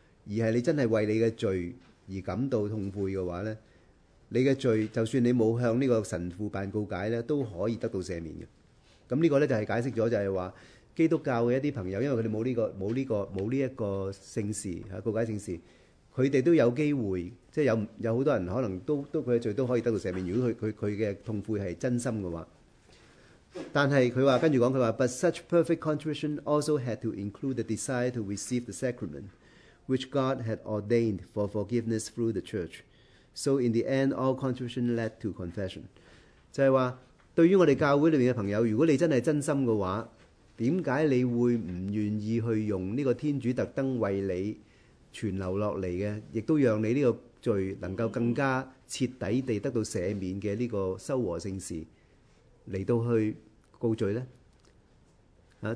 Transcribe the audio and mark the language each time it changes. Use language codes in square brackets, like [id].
[zh] 而是你真的為你的罪而感到痛悔的話，你的罪就算你沒有向這個神父辦告解都可以得到赦免的。那這個就是解釋了，就是說基督教的一些朋友，因為他們沒有這個聖事告解聖事，他們都有機會，即 有很多人可能都他的罪都可以得到赦免，如果 他的痛悔是真心的話。但是他說跟著說，他說 [en] But such perfect contrition also had to include the desire to receive the sacramentwhich God had ordained for forgiveness through the church. So in the end, all contrition led to confession. [zh] 就是说，对于我们教会里面的朋友，如果你真的真心的话，为什么你会不愿意去用这个天主特登为你存留下来的，也都让你这个罪能够更加彻底地得到赦免的这个修和圣事来到去告罪呢？